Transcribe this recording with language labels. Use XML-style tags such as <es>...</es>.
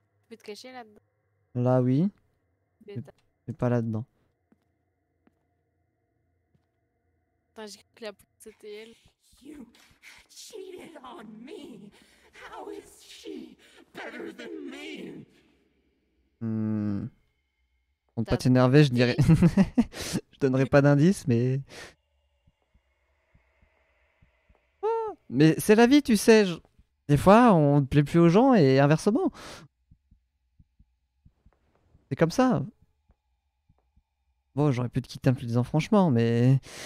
<fr>Te cacher là-dedans. Là, oui. Attends, Mais pas là-dedans. j'ai cru que la porte c'était elle.</fr> <en>You cheated on me. How is she better than me?</en> <fr>Pour ne pas T'as t'énerver, je dirais. menti? Je donnerai pas d'indice, mais. Mais c'est la vie, tu sais. Des fois, on ne plaît plus aux gens et inversement. C'est comme ça. Bon, j'aurais pu te quitter un peu disant franchement, mais.</fr>